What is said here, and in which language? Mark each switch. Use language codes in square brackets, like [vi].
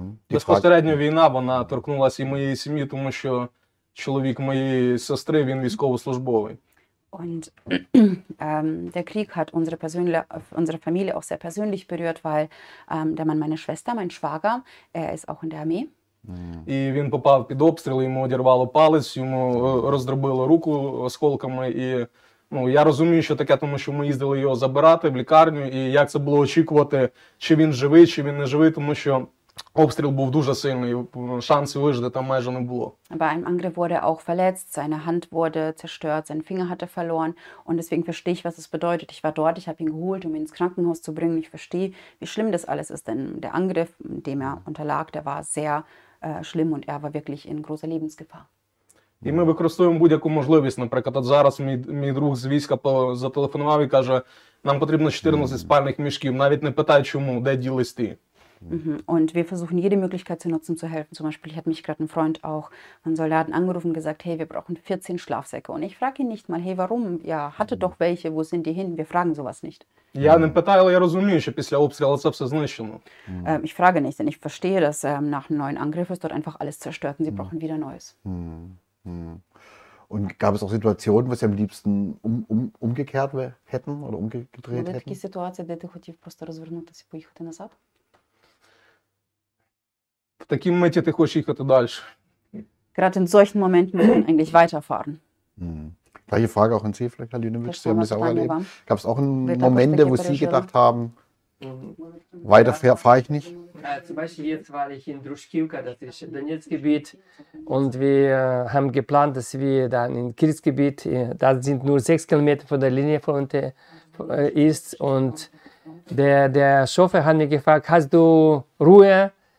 [uk] Безпосередньо війна, вона торкнулася і моєї сім'ї, тому що чоловік моєї сестри, він військовослужбовий. [de] Und der Krieg hat unsere Familie auch sehr persönlich berührt, weil der Mann meiner Schwester, mein Schwager, er ist auch in der Armee. [uk] І він попав під обстріл, йому одірвало палець, йому роздробило руку осколками і... Ну, я розумію, що таке, тому що ми їздили його забирати в лікарню, і як це було очікувати, чи він живий, чи він не живий, тому що обстріл був дуже сильний, шансів вижити там майже не було. [de] Bei einem Angriff wurde er auch verletzt, seine Hand wurde zerstört, seinen Finger hat er verloren und deswegen verstehe ich, was es bedeutet. Ich war dort, ich habe ihn geholt, um ihn ins Krankenhaus zu bringen. Ich verstehe, wie schlimm das alles ist, denn der Angriff, dem er unterlag, der war sehr schlimm und er war wirklich in großer Lebensgefahr. [uk] І ми використовуємо будь-яку можливість. Наприклад, от зараз мій друг з війська зателефонував і каже, нам потрібно 14 спальних мішків, навіть не питай, чому, де ділись ти. [de] Und wir versuchen jede Möglichkeit zu nutzen, zu helfen. Zum Beispiel hat mich gerade ein Freund auch von Soldaten angerufen und gesagt, hey, wir brauchen 14 Schlafsäcke. Und ich frage ihn nicht mal, hey, warum? Ja, hatte doch welche, wo sind die hin? Wir fragen sowas nicht. [uk] Я не питаю, але я розумію, що після обстрілу це все знищено. [de] Ich frage nicht, denn ich verstehe, dass nach einem neuen Angriff ist dort einfach alles zerstört und sie brauchen wieder Neues. Und gab es auch Situationen, wo Sie am liebsten umgekehrt hätten oder umgedreht hätten? Gibt es Situationen, wo Sie einfach [uk] просто розвернутися, поїхати назад? В такі моменти ти хочеш їхати далі. [de] Gerade in solchen Momenten muss man eigentlich weiterfahren. Gleiche Frage auch an Sie vielleicht, Herr Lünewitsch, Sie haben das auch erlebt. Gab es auch Momente, wo Sie gedacht haben, weiter fahre ich nicht? Zum Beispiel jetzt war ich in Druschkivka, das ist Donetsk-Gebiet, und wir haben geplant, dass wir dann in Kriegsgebiet, da sind nur 6 Kilometer von der Linie von der ist, und der Chauffeur hat mir gefragt, hast du Ruhe?